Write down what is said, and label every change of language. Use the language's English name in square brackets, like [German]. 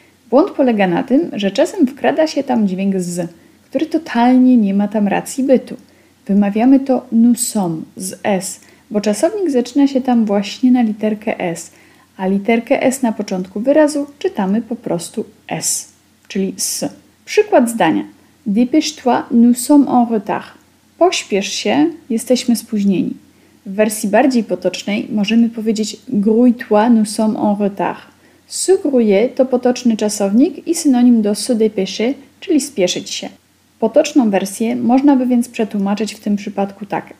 [Polish] Błąd polega na tym, że czasem wkrada się tam dźwięk z, który totalnie nie ma tam racji bytu. Wymawiamy to [French] nous sommes [Polish] z s, bo czasownik zaczyna się tam właśnie na literkę s, a literkę s na początku wyrazu czytamy po prostu s, czyli s. Przykład zdania. [French] Dépêche-toi, nous sommes en retard. [Polish] Pośpiesz się, jesteśmy spóźnieni. W wersji bardziej potocznej możemy powiedzieć [French] grouille-toi, nous sommes en retard. [Polish] Se grouiller to potoczny czasownik i synonim do se dépêcher, czyli spieszyć się. Potoczną wersję można by więc przetłumaczyć w tym przypadku tak.